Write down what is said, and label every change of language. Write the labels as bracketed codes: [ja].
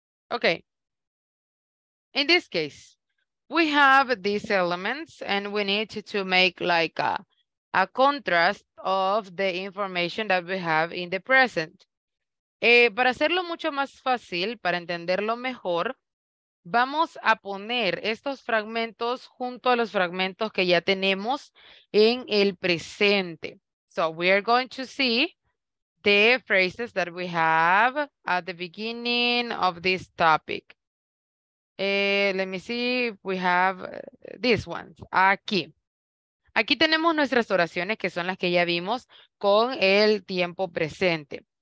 [en] Okay, in this case, we have these elements and we need to make like a contrast of the information that we have in the present. [es] Para hacerlo mucho más fácil, para entenderlo mejor, vamos a poner estos fragmentos junto a los fragmentos que ya tenemos en el presente. [en] So we are going to see the phrases that we have at the beginning of this topic. Let me see if we have these ones. [es] Aquí. Aquí tenemos nuestras oraciones que son las que ya vimos con el tiempo presente.